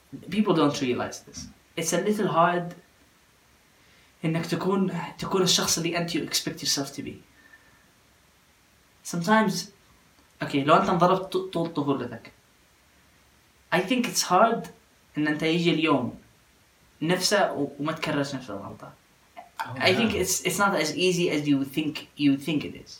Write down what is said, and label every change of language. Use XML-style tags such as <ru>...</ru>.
<en>People don't realize this. It's a little hard.</en> <ar>إنك تكون الشخص اللي أنت</ar> <en>you expect yourself to be. Sometimes, okay,</en> <ar>لو أنت انضربت طول طفولتك.</ar> <en>I think it's hard</en> <ar>إن أنت يجي اليوم نفسه وما تكررش نفس الغلطة. Oh,</ar> <en>I think it's not as easy as you think it is.</en>